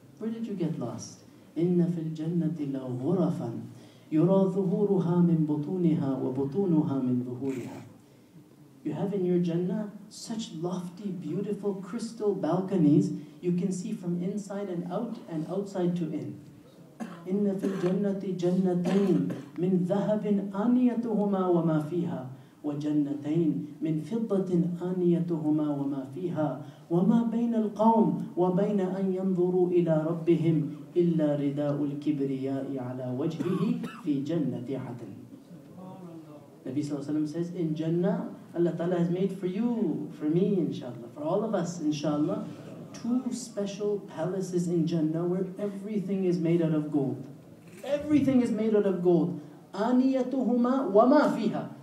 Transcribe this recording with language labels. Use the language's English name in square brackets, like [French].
[English] Where did you get lost? [Arabic] إِنَّ فِي الْجَنَّةِ لَغُرَفًا يُرَى ظُهُورُهَا مِن بُطُونِهَا وَبُطُونُهَا مِن ظُهُورِهَا. [English] You have in your Jannah such lofty, beautiful crystal balconies, you can see from inside and out and outside to in. [Arabic] إِنَّ فِي الْجَنَّةِ جَنَّتَيْن مِن ذَهَبٍ آنِيَتُهُمَا وَمَا فِيهَا وجنتين من فضة آنيتهما وما فيها وما بين القوم وبين أن ينظروا إلى ربهم إلا رداء الكبرياء على وجهه في جنة عدن. [English] Nabi صلى الله عليه وسلم says, in Jannah, Allah Ta'ala has made for you, for me, inshallah, for all of us, inshallah, two special palaces in Jannah where everything is made out of gold. Everything is made out of gold. [Arabic] آنيتهما وما فيها.